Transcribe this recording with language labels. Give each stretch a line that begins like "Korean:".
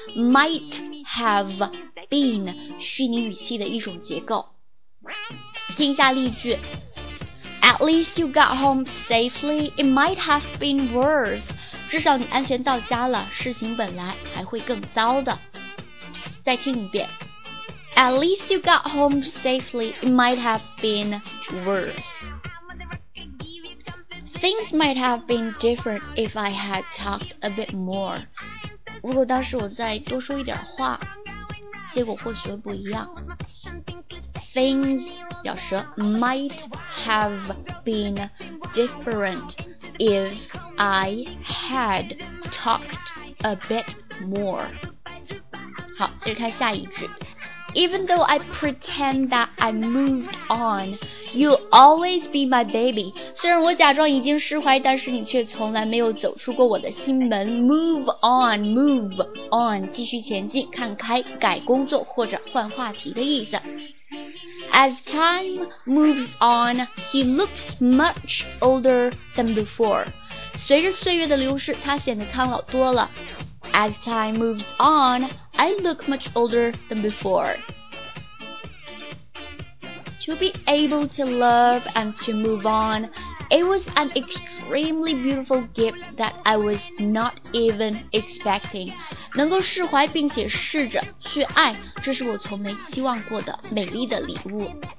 English: Might have been
Chinese: 虚拟语气的一种结构。听一下例句，
English: At least you got home safely. It might have been worse.
Chinese: 至少你安全到家了，事情本来还会更糟的。再听一遍，
English: At least you got home safely. It might have been worseThings might have been different if I had talked a bit more.
Chinese: 如果当时我再多说一点话，结果或许会不一样。
English: Things
Chinese: 表示
English: might have been different if I had talked a bit more.
Chinese: 好，接着看下一句。
English: Even though I pretend that I moved on, you'll always be my baby.
Chinese: 虽然我假装已经释怀，但是你却从来没有走出过我的心门。
English: Move on, move on，
Chinese: 继续前进，看开，改工作或者换话题的意思。
English: As time moves on, he looks much older than before.
Chinese: 随着岁月的流逝，他显得苍老多了。
English: As time moves on, I look much older than before. To be able to love and to move on, it was an extremely beautiful gift that I was not even expecting.
Chinese: 能够释怀并且试着去爱，这是我从没期望过的美丽的礼物。